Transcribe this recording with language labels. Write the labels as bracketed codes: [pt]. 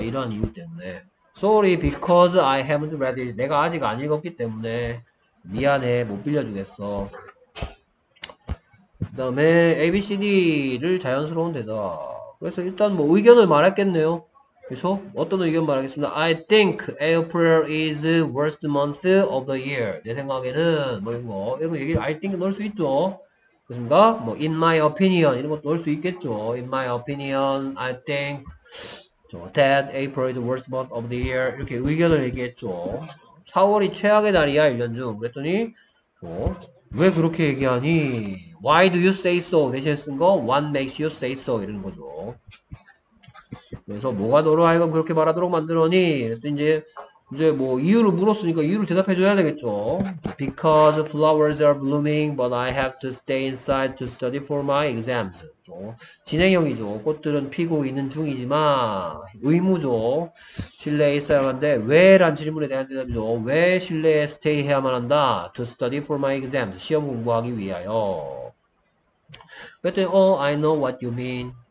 [ko] 이런 이유 때문에. [en] sorry because I haven't read it. [ko] 내가 아직 안 읽었기 때문에 미안해. 못 빌려주겠어. 그 다음에 ABCD를 자연스러운 대답. 그래서 일단 뭐 의견을 말했겠네요. 그래서 어떤 의견 말하겠습니다. [en] I think April is worst month of the year. [ko] 내 생각에는 뭐 이런 거. 이런 거 얘기를 I think 넣을 수 있죠. 그렇습니까? 뭐 [en] in my opinion [ko] 이런 것도 넣을 수 있겠죠. [en] In my opinion, I think that April is the worst month of the year. [ko] 이렇게 의견을 얘기했죠. 4월이 최악의 달이야 1년 중. 그랬더니 왜 그렇게 얘기하니? [en] Why do you say so? [ko] 대신에 쓴 거 [en] What makes you say so? [ko] 이런 거죠. 그래서 뭐가 너로 하여금 그렇게 말하도록 만들었니? 그랬더니 이제 뭐 이유를 물었으니까 이유를 대답해 줘야 되겠죠. [en] Because flowers are blooming, but I have to stay inside to study for my exams. [ko] 진행형이죠. 꽃들은 피고 있는 중이지만 의무죠. 실내에 있어야 하는데 왜란 질문에 대한 대답이죠. 왜 실내에 [en] stay [ko] 해야만 한다? [en] To study for my exams. [ko] 시험 공부하기 위하여. 그랬더니 [en] I know what you mean.